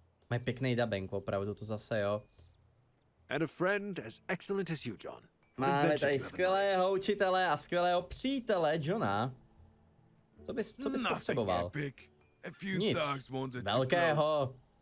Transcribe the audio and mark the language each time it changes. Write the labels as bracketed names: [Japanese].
[Czech] Máme pěkný dubbing, opravdu to zase, jo. [English] And a friend as excellent as you, John. [Czech] Máme tady skvělého učitele a skvělého přítele, Johna. Co bys potřeboval? Nic. Velkého.